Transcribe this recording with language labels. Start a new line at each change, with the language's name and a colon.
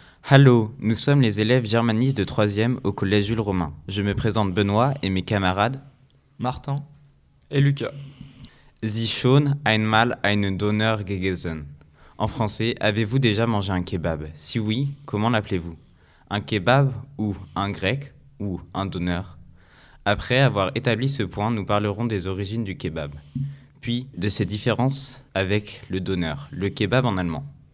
French: Allô, nous sommes les élèves germanistes de 3e au collège Jules Romain. Je me présente Benoît et mes camarades Martin et Lucas.
German: Sie schon einmal einen Döner gegessen.
French: En français, avez-vous déjà mangé un kebab? Si oui, comment l'appelez-vous? Un kebab ou un grec ou un Döner? Après avoir établi ce point, nous parlerons des origines du kebab, puis de ses différences avec le Döner, le kebab en allemand.